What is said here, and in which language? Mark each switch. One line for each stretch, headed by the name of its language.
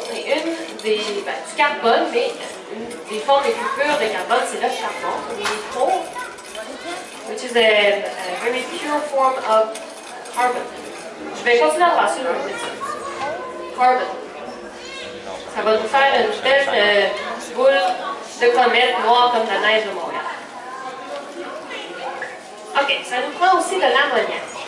French: Et une des, ben, du carbone, mais une des formes les plus pures de carbone, c'est le charbon.
English: Which is a very pure form of carbon.
French: Je vais continuer à passer sur le carbon. Ça va nous faire une belle boule de comète noire comme la neige de Montréal. OK, ça nous prend aussi de l'ammoniac.